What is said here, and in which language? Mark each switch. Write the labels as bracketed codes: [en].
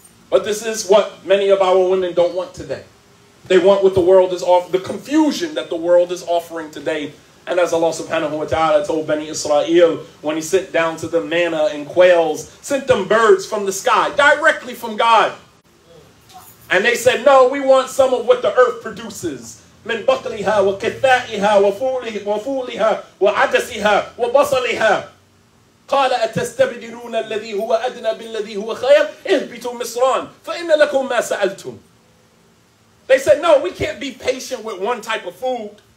[en] But this is what many of our women don't want today. They want what the world is offering, the confusion that the world is offering today. And as Allah subhanahu wa ta'ala told Bani Israel when he sent down to them manna and quails, sent them birds from the sky, directly from God. And they said, no, we want some of what the earth produces. [ar] من بقلها وكثائها وفولها وعدسها وبصلها. قال أتستبدلون الذي هو أدنى بالذي هو خير اهبطوا مصرا فإن لكم ما سألتم. [en] They said, no, we can't be patient with one type of food.